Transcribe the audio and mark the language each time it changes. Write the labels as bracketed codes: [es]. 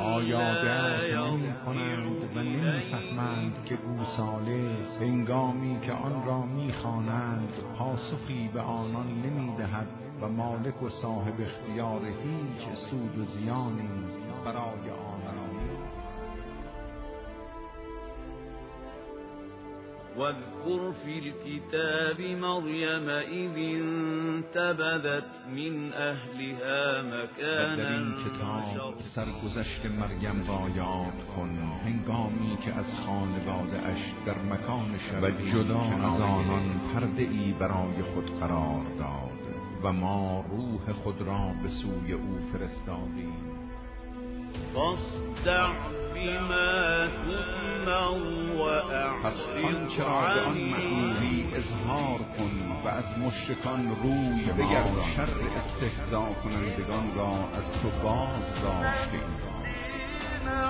[fa] آیا درک نمی کنند و نمی فهمند که گوساله هنگامی که آن را می خوانند پاسخی به آنان نمی دهد و مالک و صاحب اختیار هیچ سود و زیانی برای آنان [ar] واذكر في الكتاب مريم إذ انتبذت من أهلها مكانا [fa] در این کتاب سرگذشت مریم را یاد کن هنگامی که از خانواده اش در مکان شد و جدا از آنان پرده ای برای خود قرار داد و ما روح خود را به سوی او فرستادیم [ar] فاصدع بما تؤمر و اعرض عن المعروف [fa] اظهار کن و از مشرکان روی بگر شر استهزا کنندگان را از تو باز داشته ایم